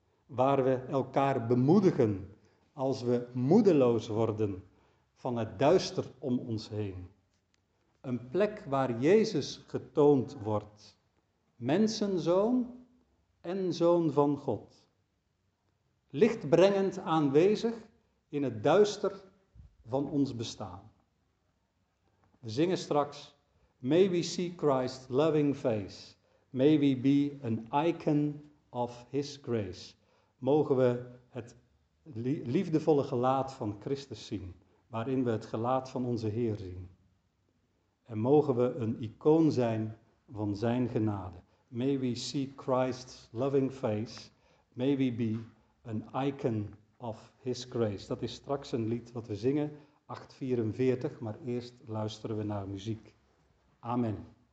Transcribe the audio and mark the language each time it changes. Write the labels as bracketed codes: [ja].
[nl] Waar we elkaar bemoedigen als we moedeloos worden van het duister om ons heen. Een plek waar Jezus getoond wordt. Mensenzoon en zoon van God. Lichtbrengend aanwezig in het duister van ons bestaan. We zingen straks, [en] may we see Christ's loving face, may we be an icon of his grace. [nl] Mogen we het liefdevolle gelaat van Christus zien, waarin we het gelaat van onze Heer zien. En mogen we een icoon zijn van zijn genade. [en] May we see Christ's loving face, may we be an icon of his grace. [nl] Dat is straks een lied wat we zingen, 844, maar eerst luisteren we naar muziek. Amen.